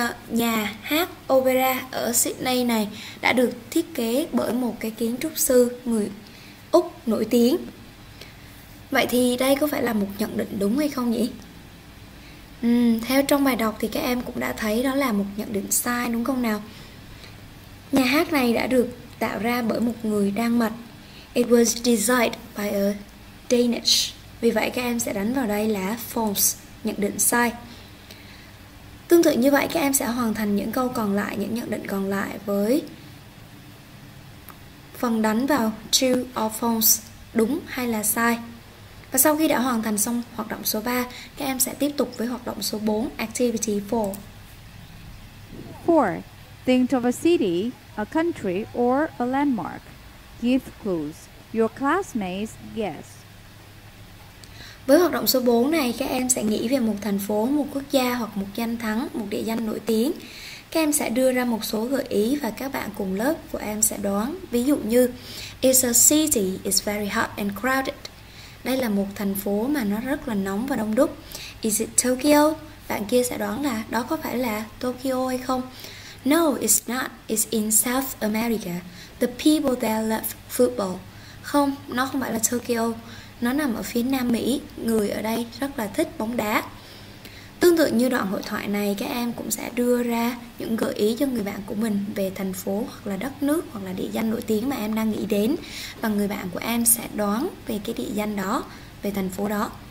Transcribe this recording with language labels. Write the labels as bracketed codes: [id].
[vi] Nhà hát opera ở Sydney này đã được thiết kế bởi một cái kiến trúc sư người Úc nổi tiếng. Vậy thì đây có phải là một nhận định đúng hay không nhỉ? Theo trong bài đọc thì các em cũng đã thấy đó là một nhận định sai đúng không nào? Nhà hát này đã được tạo ra bởi một người Đan Mạch. [en] It was designed by a Danish. [vi] Vì vậy các em sẽ đánh vào đây là false, nhận định sai. Tương tự như vậy, các em sẽ hoàn thành những câu còn lại, những nhận định còn lại với phần đánh vào true or false, đúng hay là sai. Và sau khi đã hoàn thành xong hoạt động số 3, các em sẽ tiếp tục với hoạt động số 4, activity 4. [en] 4. Think of a city, a country or a landmark. Give clues. Your classmates guess. [vi] Với hoạt động số 4 này, các em sẽ nghĩ về một thành phố, một quốc gia hoặc một danh thắng, một địa danh nổi tiếng. Các em sẽ đưa ra một số gợi ý và các bạn cùng lớp của em sẽ đoán. Ví dụ như, [en] it's a city, it's very hot and crowded. [vi] Đây là một thành phố mà nó rất là nóng và đông đúc. [en] Is it Tokyo? [vi] Bạn kia sẽ đoán là đó có phải là Tokyo hay không? [en] No, it's not. It's in South America. The people there love football. [vi] Không, nó không phải là Tokyo. Nó nằm ở phía Nam Mỹ, người ở đây rất là thích bóng đá. Tương tự như đoạn hội thoại này, các em cũng sẽ đưa ra những gợi ý cho người bạn của mình về thành phố hoặc là đất nước hoặc là địa danh nổi tiếng mà em đang nghĩ đến. Và người bạn của em sẽ đoán về cái địa danh đó, về thành phố đó.